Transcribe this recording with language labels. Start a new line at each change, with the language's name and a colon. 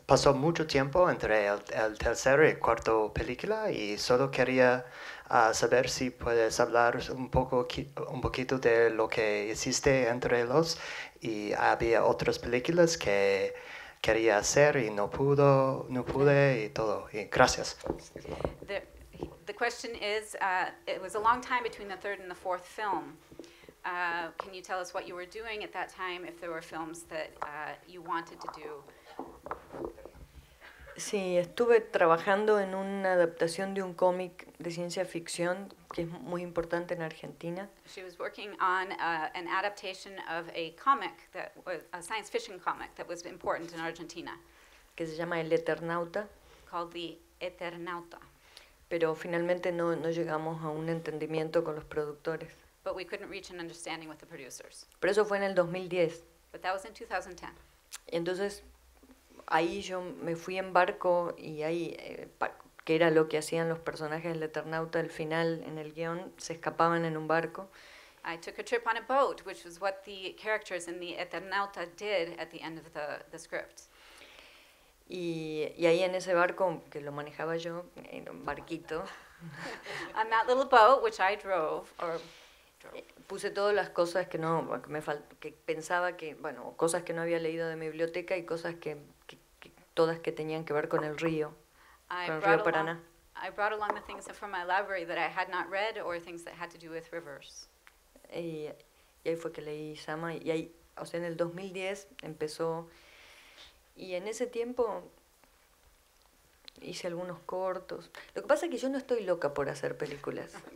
Spanish: Pasó mucho tiempo entre el tercer y cuarto película y solo quería a saber si puedes hablar un poquito de lo que hiciste entre los y había otras películas que quería hacer y no pude y todo. Y gracias.
English: The question is, it was a long time between the third and the fourth film. Can you tell us what you were doing at that time, if there were films that you wanted to do?
Spanish: Sí, estuve trabajando en una adaptación de un cómic de ciencia ficción que es muy importante en Argentina.
English: She was working on an adaptation of a comic that was a science fiction comic that was important in Argentina.
Spanish: Que se llama El Eternauta.
English: Called The Eternauta.
Spanish: Pero finalmente no llegamos a un entendimiento con los productores.
English: But we couldn't reach an understanding with the producers.
Spanish: Pero eso fue en el 2010.
English: But that was in 2010.
Spanish: Y entonces ahí yo me fui en barco y ahí, que era lo que hacían los personajes del Eternauta al final en el guión, se escapaban en un barco.
English: I took a trip on a boat, which was what the characters in the Eternauta did at the end of the script.
Spanish: Y ahí en ese barco, que lo manejaba yo, en un barquito.
English: On that little boat, which I drove, or...
Spanish: Puse todas las cosas que no, que me que pensaba que, bueno, cosas que no había leído de mi biblioteca y cosas que todas que tenían que ver con el río, Paraná.
English: I brought along the things from my library that I had not read or things that had to do with rivers.
Spanish: Y ahí fue que leí Sama y ahí, o sea, en el 2010 empezó, y en ese tiempo hice algunos cortos. Lo que pasa es que yo no estoy loca por hacer películas.